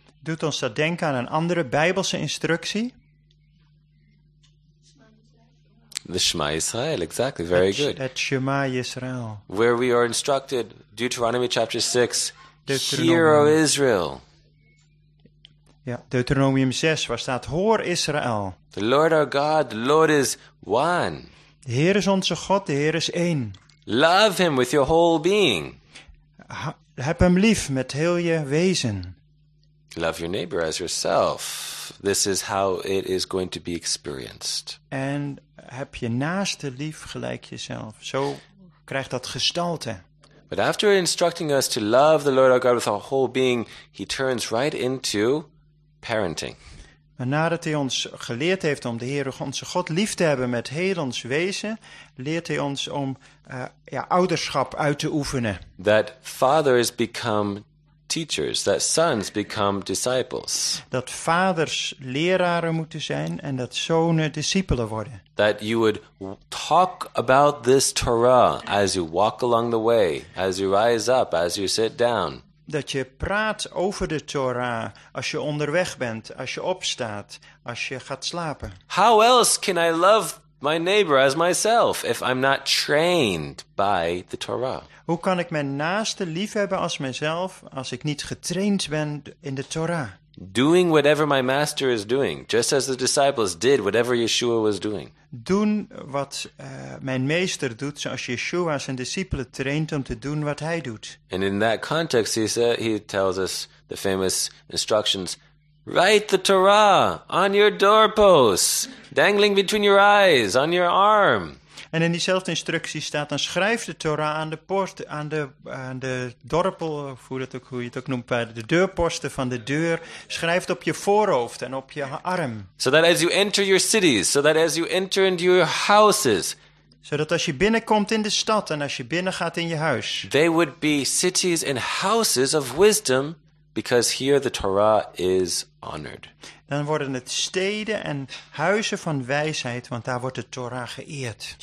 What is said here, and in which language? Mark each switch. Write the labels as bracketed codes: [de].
[nl] Doet ons dat denken aan een andere Bijbelse instructie? [en] The Shema Yisrael, exactly, very good. [nl] Het Shema Yisrael. [en] Where we are instructed, Deuteronomy chapter 6, hear, O Israel. [nl] Ja, Deuteronomium 6, waar staat, hoor Israël. [en] The Lord our God, the Lord is one. [nl] De Heer is onze God, de Heer is één. [en] Love him with your whole being. [nl] Heb hem lief met heel je wezen. [en] Love your neighbor as yourself. This is how it is going to be experienced. [nl] En heb je naaste lief gelijk jezelf. Zo krijgt dat gestalte. [en] But after instructing us to love the Lord our God with our whole being, he turns right into parenting. [nl] Maar nadat hij ons geleerd heeft om de Heer onze God lief te hebben met heel ons wezen, leert hij ons om ouderschap uit te oefenen. [en] That fathers become teachers, that sons become disciples. [nl] Dat vaders leraren moeten zijn en dat zonen discipelen worden. [en] That you would talk about this Torah as you walk along the way, as you rise up, as you sit down. [nl] Dat je praat over de Torah als je onderweg bent, als je opstaat, als je gaat slapen. [en] How else can I love my neighbor as myself if I'm not trained by the Torah? [nl] Hoe kan ik mijn naaste lief hebben als mezelf als ik niet getraind ben in de Torah? [en] Doing whatever my master is doing, just as the disciples did whatever Yeshua was doing. [nl] Doen wat mijn meester doet, zoals Yeshua zijn discipelen traint om te doen wat hij doet. [en] And in that context he tells us the famous instructions. Write the Torah on your doorposts, dangling between your eyes, on your arm. [nl] En in diezelfde instructie staat dan schrijf de Torah aan de poort, aan de dorpel, of hoe je het ook noemt, bij de deurposten van de deur. Schrijf het op je voorhoofd en op je arm. [en] So that as you enter your cities, so that as you enter into your houses. [nl] Zodat als je binnenkomt in de stad en als je binnengaat in je huis. [en] They would be cities and houses of wisdom. Because here the Torah is honored. [nl] Dan worden het steden en huizen van wijsheid, want daar wordt de Torah geëerd.